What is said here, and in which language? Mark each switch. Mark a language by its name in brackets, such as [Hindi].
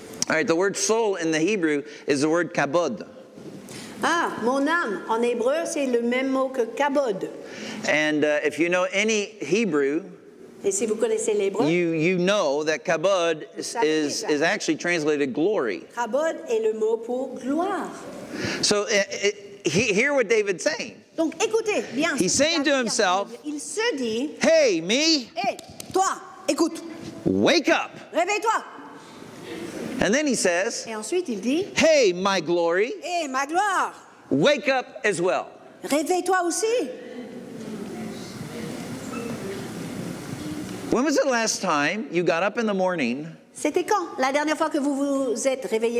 [English] All right, the word soul in the Hebrew is the word kabod. [French] Ah, mon âme, en hébreu, c'est le même mot que kabod. [English] And if you know any Hebrew, [French] et si vous connaissez l'hébreu, [English] you know that kabod is actually translated glory. [French] Kabod est le mot pour gloire. [English] So hear what David's saying. [French] Donc, écoutez, bien, [English] he's saying to himself, [French] il se dit, [English] hey, me, [French] hey, toi, écoute, [English] wake up. [French] Réveille-toi. [English] And then he says, [French] et ensuite, il dit, [English] hey, my glory, [French] hey, ma gloire, [English] wake up as well. [French] Réveille-toi aussi. [English] When was the last time you got up in the morning? [French] C'était quand la dernière fois que vous vous êtes réveillé le